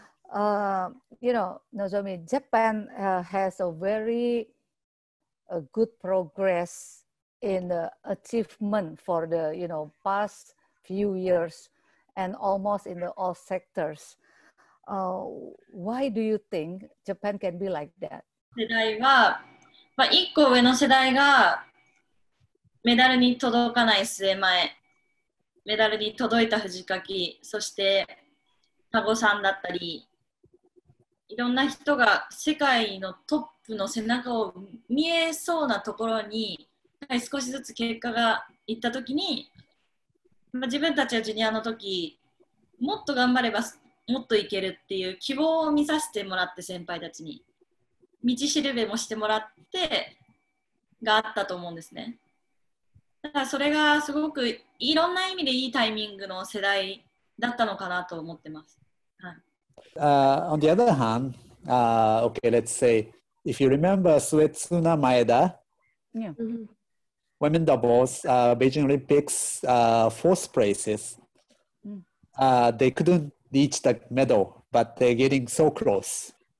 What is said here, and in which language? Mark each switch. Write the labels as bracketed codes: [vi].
[en] Nozomi, Japan has a very good progress in the achievement for the past few years and almost in the all sectors. Why do you think Japan can be like that? [ja] 世代は、まあ、1個上の世代がメダルに届かない末前、メダルに届いた藤垣、そして多湖さんだったり、いろんな人が世界のトップの背中を見えそうなところに、はい、少しずつ結果がいったときに、まあ、自分たちはジュニアの時、もっと頑張ればもっといけるっていう希望を見させてもらって、先輩たちに。道しるべもしてもらってがあったと思うんですね。だからそれがすごくいろんな意味でいいタイミングの世代だったのかなと思ってます。 [en] On the other hand, okay, let's say if you remember Suetsuna Maeda, women doubles, Beijing Olympics, fourth places, they couldn't reach the medal, but they're getting so close.